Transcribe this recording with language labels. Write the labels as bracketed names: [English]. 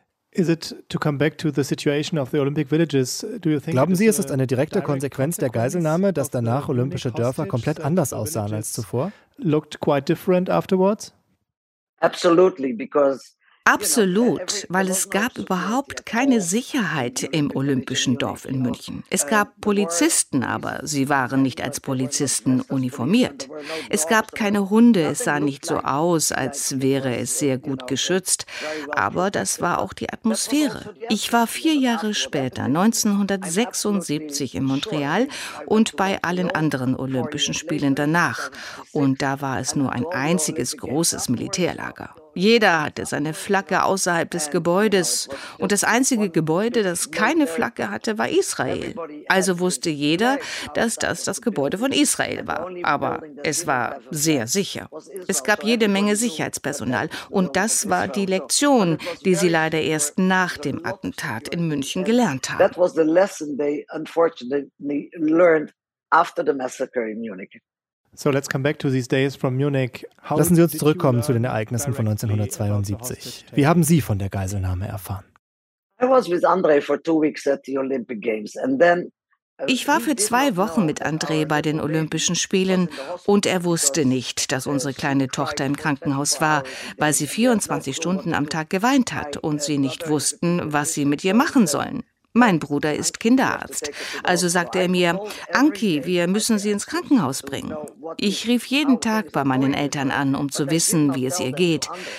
[English] Is it to come back to the situation of the Olympic villages? Do you think? [German] Glauben Sie, es ist eine direkte Konsequenz der Geiselnahme, dass danach olympische Dörfer komplett anders aussahen als zuvor? [English] Looked quite different afterwards? Absolutely, because. [German] Absolut, weil es gab überhaupt keine Sicherheit im olympischen Dorf in München. Es gab Polizisten, aber sie waren nicht als Polizisten uniformiert. Es gab keine Hunde, es sah nicht so aus, als wäre es sehr gut geschützt. Aber das war auch die Atmosphäre. Ich war 4 Jahre später, 1976 in Montreal und bei allen anderen Olympischen Spielen danach. Und da war es nur ein einziges großes Militärlager. Jeder hatte seine Flagge außerhalb des Gebäudes. Und das einzige Gebäude, das keine Flagge hatte, war Israel. Also wusste jeder, dass das Gebäude von Israel war. Aber es war sehr sicher. Es gab jede Menge Sicherheitspersonal. Und das war die Lektion, die sie leider erst nach dem Attentat in München gelernt haben. [English] That was the lesson they unfortunately learned after the massacre in Munich. So let's come back to these days from Munich. [German] Lassen Sie uns zurückkommen zu den Ereignissen von 1972. Wie haben Sie von der Geiselnahme erfahren? [English] I was with André for 2 weeks at the Olympic Games and then [German] ich war für 2 Wochen mit André bei den Olympischen Spielen und er wusste nicht, dass unsere kleine Tochter im Krankenhaus war, weil sie 24 Stunden am Tag geweint hat und sie nicht wussten, was sie mit ihr machen sollen. Mein Bruder ist Kinderarzt. Also sagte er mir, Anki, wir müssen sie ins Krankenhaus bringen. Ich rief jeden Tag bei meinen Eltern an, um zu wissen, wie es ihr geht.